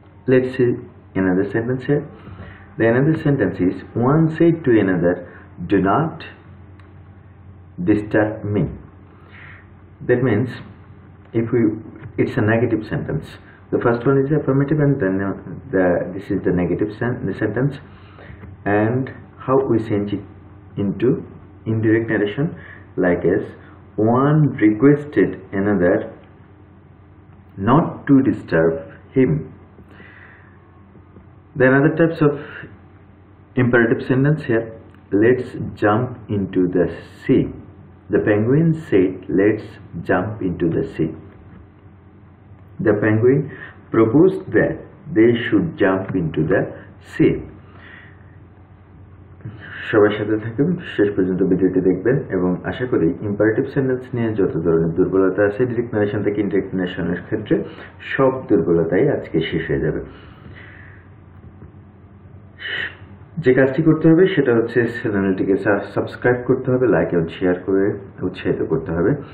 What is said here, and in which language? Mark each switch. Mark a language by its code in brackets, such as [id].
[en] Let's see another sentence here. The another sentence is, one said to another, do not disturb me. That means if you, it's a negative sentence. The first one is affirmative and then this is the negative sentence. And how we change it into indirect narration? Like as, one requested another not to disturb him. There are other types of imperative sentence here. Let's jump into the sea. The penguin said, let's jump into the sea. The penguin proposed that they should jump into the sea. [bn] সবার সাথে থাকুন, শেষ পর্যন্ত ভিডিওটি দেখবেন এবং আশা করি imperative sentence নিয়ে যত ধরনের দুর্বলতা আছে ডিরেক্ট ন্যারেশন থেকে ইনডিরেক্ট ন্যারেশনের ক্ষেত্রে সব দুর্বলতাই আজকে শেষ হয়ে যাবে। যে কাজটি করতে হবে সেটা হচ্ছে চ্যানেলটিকে সাবস্ক্রাইব করতে হবে, লাইক এবং শেয়ার করে উৎসাহিত করতে হবে।